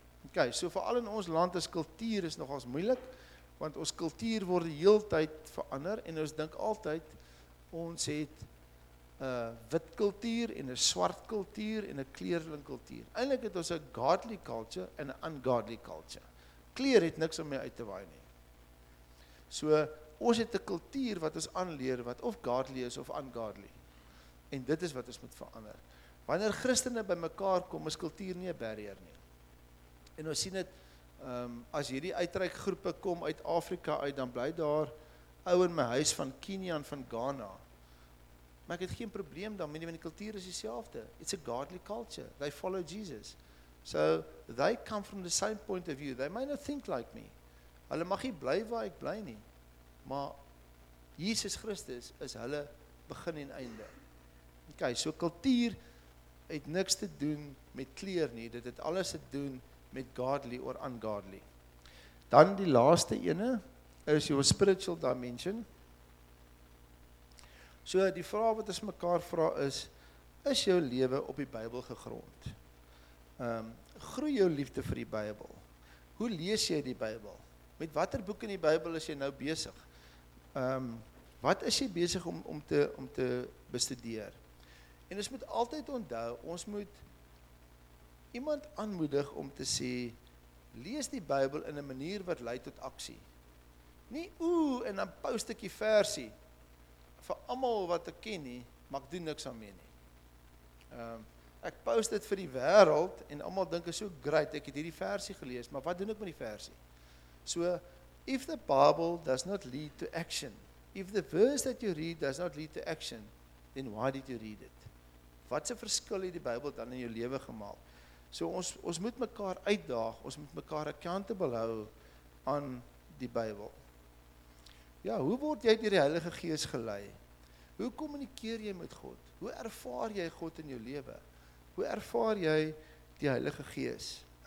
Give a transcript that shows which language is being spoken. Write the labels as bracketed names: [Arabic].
[Afrikaans] Okay, so veral in ons land as kultuur is nogals moeilik. Want ons kultuur word die hele tyd verander en ons dink altyd ons het 'n wit kultuur en 'n swart kultuur en 'n kleerling kultuur. Eintlik het ons 'n godly culture en 'n ungodly culture. Kleer het niks om mee uit te waai nie. So ons het 'n kultuur wat ons aanleer wat of godly is of ungodly. En dit is wat ons moet verander. Wanneer Christene bymekaar kom, is kultuur nie 'n barrier nie. En ons sien dit as hierdie uitreikgroepe kom uit Afrika uit, dan bly daar ou in my huis van Kenia en van Ghana. Maar ek het geen probleem daarmee nie, want die kultuur is dieselfde. [English] It's a godly culture. They follow Jesus. So, they come from the same point of view. They may not think like me. [Afrikaans] Hulle mag nie bly waar ek bly nie. Maar Jesus Christus is hulle begin en einde. Okay, so kultuur het niks te doen met kleer nie. Dit het alles te doen met [English] godly or ungodly. [Afrikaans] Dan die laaste ene is jou spiritual dimension. So die vraag wat ons mekaar vra is jou lewe op die Bybel gegrond? Groei jou liefde vir die Bybel? Hoe lees jy die Bybel? Met watter boek in die Bybel is jy nou besig? Wat is jy besig om te bestudeer? En ons moet altyd onthou, ons moet iemand aanmoedig om te sê, lees die Bybel in 'n manier wat lei tot aksie. Nie en dan post ek die versie vir almal wat ek ken nie, maar ek doen niks daarmee nie. Ek post dit vir die wêreld en almal dink is so great, ek het hierdie versie gelees, maar wat doen ek met die versie? [English] So, if the Bible does not lead to action, if the verse that you read does not lead to action, Then why did you read it? [Afrikaans] Wat 'n verskil het die Bybel dan in jou lewe gemaak? So ons moet mekaar uitdaag, ons moet mekaar accountable hou aan die Bybel. Ja, hoe word jy deur die Heilige Gees gelei? Hoe kommunikeer jy met God? Hoe ervaar jy God in jou lewe? Hoe ervaar jy die Heilige Gees?